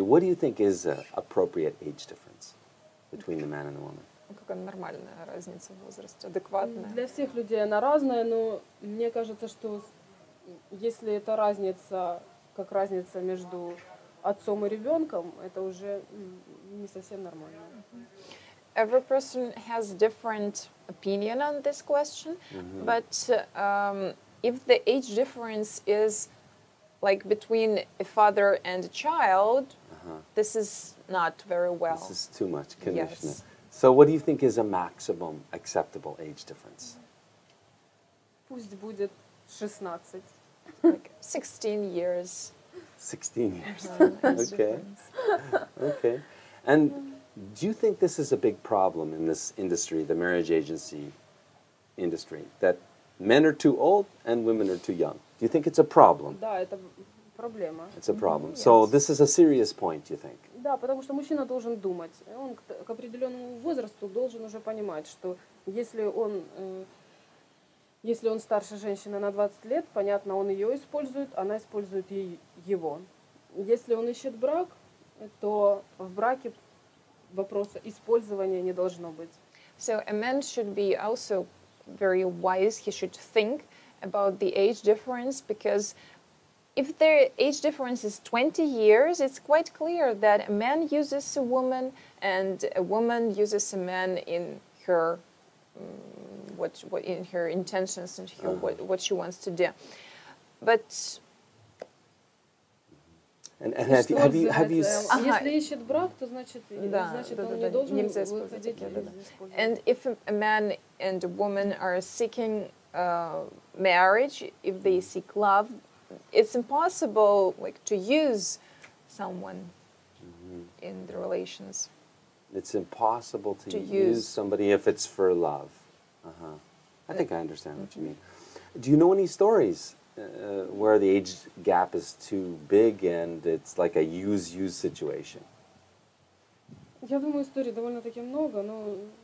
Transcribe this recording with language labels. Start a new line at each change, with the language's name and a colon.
English: What do you think is an appropriate age difference between the man and the woman?
Ukrainian: Яка нормальна різниця в возрасті, адекватна. Для всіх людей вона різна, але мені кажеться, що якщо це різниця, як різниця між отцом і ребенком, це вже не зовсім нормально.
English: Every person has different opinion on this question, but if the age difference is like between a father and a child, this is not very well. This is too much, condition. Yes. So what do you think is a maximum acceptable age difference?
Russian: Пусть будет 16.
English: Like 16 years. 16 years. Okay. Okay. And do you think this is a big problem in this industry, the marriage agency industry, that men are too old and women are too young? Do you think it's a problem?
Russian: Да, это проблема.
English: It's a problem. So this is a serious point, you think?
Russian: Да, потому что мужчина должен думать. Он к определенному возрасту должен уже понимать, что если он старше женщины на 20 лет, понятно, он ее использует, она использует его. Если он ищет брак, то в браке вопроса использования не должно быть.
English: So a man should be also very wise. He should think about the age difference, because if the age difference is 20 years, it's quite clear that a man uses a woman and a woman uses a man in her in her intentions and her, what she wants to do. But and have you
Russian: если ищет брак, то значит он не должен выходить.
English: And if a man and a woman are seeking marriage, if they seek love, it's impossible like to use someone in the relations. It's impossible to use somebody if it's for love. I think I understand what you mean. Do you know any stories where the age gap is too big and it's like a use situation?
Russian: Я думаю, историй довольно-таки много, но